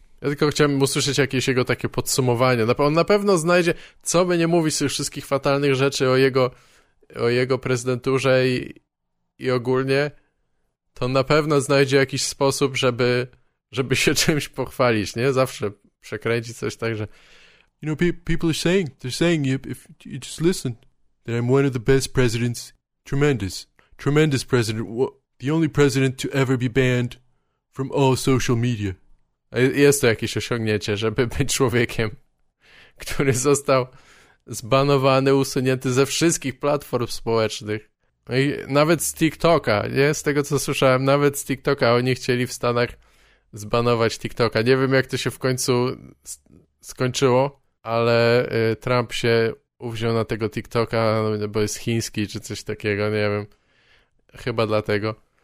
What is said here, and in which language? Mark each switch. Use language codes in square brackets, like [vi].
[pl] Ja tylko chciałem usłyszeć jakieś jego takie podsumowanie. On na pewno znajdzie, co by nie mówić z tych wszystkich fatalnych rzeczy o jego prezydenturze i ogólnie, to na pewno znajdzie jakiś sposób, żeby się czymś pochwalić, nie? Zawsze przekręci coś tak, że [en] you know, people are saying, they're saying, if you just listen, that I'm one of the best presidents, tremendous president, the only president to ever be banned from all social media. [pl] Jest to jakieś osiągnięcie, żeby być człowiekiem, który został zbanowany, usunięty ze wszystkich platform społecznych. I nawet z TikToka, nie? Z tego co słyszałem, nawet z TikToka. Oni chcieli w Stanach zbanować TikToka. Nie wiem, jak to się w końcu skończyło, ale Trump się uwziął na tego TikToka, bo jest chiński czy coś takiego, nie wiem. Chyba dlatego.